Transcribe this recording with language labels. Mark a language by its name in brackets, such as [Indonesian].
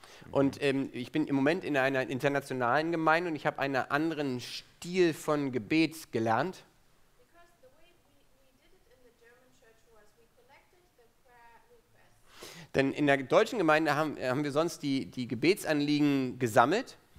[German] Und ich bin im Moment in einer internationalen Gemeinde und ich habe einen anderen Stil von Gebet gelernt. [English] Because the way we did it in the German church was we collected the prayer [German] Denn in der deutschen Gemeinde haben wir sonst die Gebetsanliegen gesammelt.